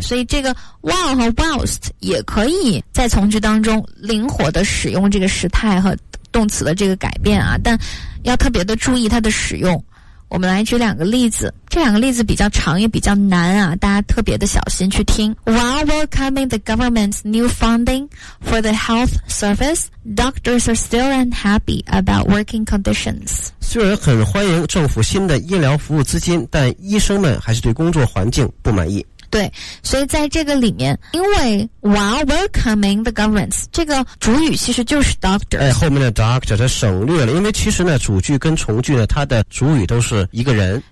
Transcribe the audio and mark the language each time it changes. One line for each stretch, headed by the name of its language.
Chinese: 所以这个 while 和 whilst 也可以在从句当中灵活的使用这个时态和动词的这个改变啊，但要特别的注意它的使用。我们来举两个例子，这两个例子比较长也比较难啊，大家特别的小心去听。
English: While welcoming the government's new funding for the health service, doctors are still unhappy about working conditions.
Chinese: 虽然很欢迎政府新的医疗服务资金，但医生们还是对工作环境不满意。对，所以在这个里面，因为
English: while welcoming the governments
Chinese: 这个主语其实就是 doctor、哎、后面的 doctor 它省略了，因为其实呢主句跟从句呢它的主语都是一个人。